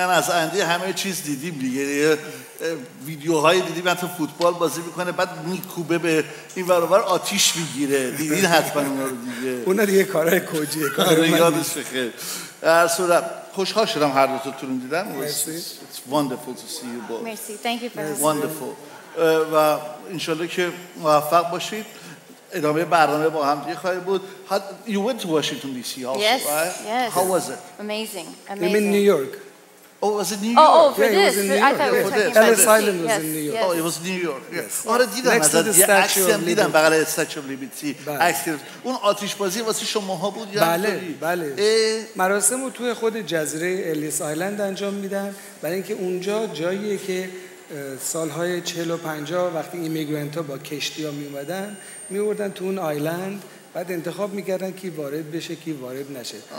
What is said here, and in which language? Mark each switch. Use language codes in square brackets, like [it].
[fa] از اندی همه چیز دیدیم دیگه، یه ویدیوهای دیدیم حتی فوتبال بازی میکنه بعد میکوبه به این ور ور آتیش میگیره. دیدین حتما اون رو دیگه. اون دیگه کارهای کوجی کار یادش بخیر. در صورت خوشحال شدم هر دو تون رو دیدم. [en] It's wonderful to see you both. Merci. Thank you for wonderful. [fa] و انشالله که موفق باشید. ادامه برنامه با هم دیگه خواهی بود. [en] You went to Washington D.C. also, yes, right? Yes. How was it? Amazing. You mean New York? Oh, was it New York? Oh, for yeah, this. I thought we were talking Ellis Island was in New York. Oh, it was New York. Yes. [fa] آره دیدم از این اکسیم دیدم بقیل Statue of Liberty. اکسیم. اون آتیش بازی واسه شماها بود یا بله بله. مراسم رو توی خود جزیره Ellis Island انجام میدن. برای اینکه اونجا جاییه که سالهای 40 و 50 وقتی ایمیگرنت ها با کشتی ها می اومدن می اومدن تو اون آیلند، بعد انتخاب می کردن کی وارد بشه کی وارد نشه.